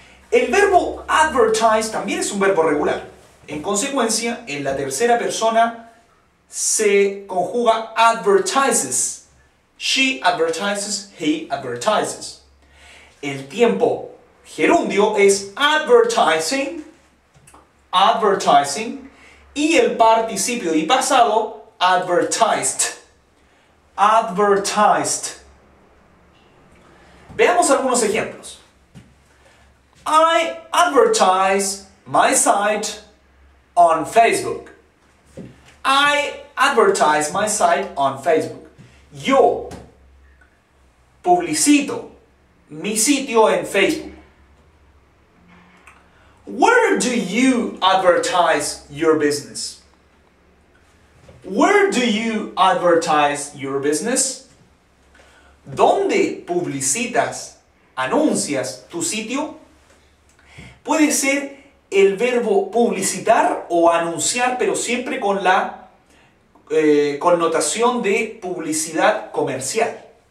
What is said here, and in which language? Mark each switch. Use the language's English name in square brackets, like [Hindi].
[Spanish] El verbo advertise también es un verbo regular. En consecuencia, en la tercera persona se conjuga advertises. [English] She advertises, he advertises. [Spanish] El tiempo gerundio es advertising, advertising. Y el participio y pasado, advertised, advertised. Veamos algunos ejemplos. [English] I advertise my site on Facebook. I advertise my site on Facebook. [Spanish] Yo publicito mi sitio en Facebook. [English] Where do you advertise your business? Where do you advertise your business? [Spanish] ¿Dónde publicitas, anuncias tu sitio? Puede ser el verbo publicitar o anunciar, pero siempre con la connotación de publicidad comercial.